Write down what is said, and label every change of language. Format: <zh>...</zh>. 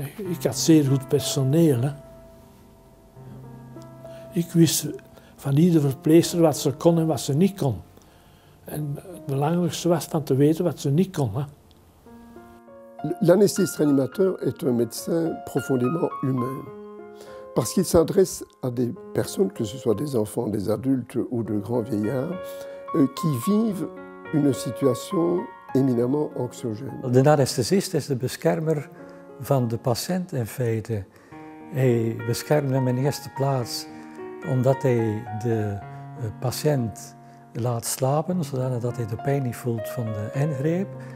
<nl>Ik had zeer goed personeel. Hè. Ik wist van ieder verpleegster wat ze kon en wat ze niet kon. En het belangrijkste was van te weten wat ze niet kon. Hè.</nl> <fr>L'anesthésiste-réanimateur est un médecin profondément humain. Parce qu'il s'adresse à des personnes, que ce soit des enfants, des adultes ou de grands vieillards, qui vivent une situation éminemment anxiogène.</fr> <nl>De</nl> <fr>anesthésiste est le</fr> <nl>beschermer van de patiënt in feite. Hij beschermt hem in eerste plaats omdat hij de patiënt laat slapen, zodat hij de pijn niet voelt van de ingreep.</nl>